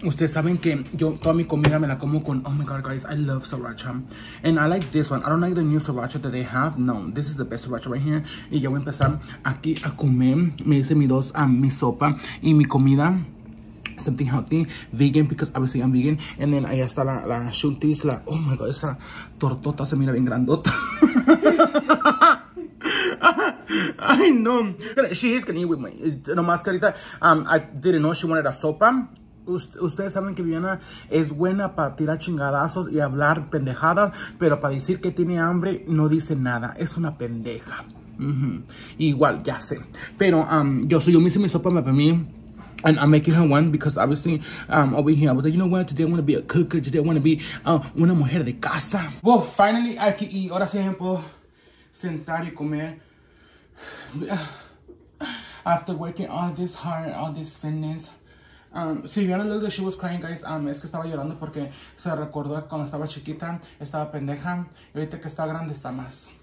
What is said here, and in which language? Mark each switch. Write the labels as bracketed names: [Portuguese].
[Spanish] Ustedes saben que yo toda mi comida me la como con... [English] Oh my God, guys, I love sriracha. And I like this one. I don't like the new sriracha that they have. No, this is the best sriracha right here. [Spanish] Y ya voy a empezar aquí a comer. Me hice mi dos, mi sopa y mi comida. [English] Something healthy, vegan, because obviously I'm vegan. And then [Spanish] ahí está la shunties, la... Oh my God, esa tortota se mira bien grandota. [English] I know. She is gonna eat with me. [Spanish] No más carita. [English] I didn't know she wanted a sopa. [Spanish] Ustedes saben que Viviana es buena para tirar chingadazos y hablar pendejadas, pero para decir que tiene hambre no dice nada. Es una pendeja. Mm-hmm. Igual, ya sé. Pero yo me hice mi sopa para mí. [English] And I'm making her one because obviously over here I was like, you know what, today I want to be a cooker. Today I want to be [Spanish] una mujer de casa. [English] Well, finally I can eat. [Spanish] Ahora sí puedo sentar y comer. [English] After working all this hard, all this fitness, [Spanish] si vieron [English] a little bit, she was crying, guys. [Spanish] Es que estaba llorando porque se recordó que cuando estaba chiquita estaba pendeja y ahorita que está grande está más.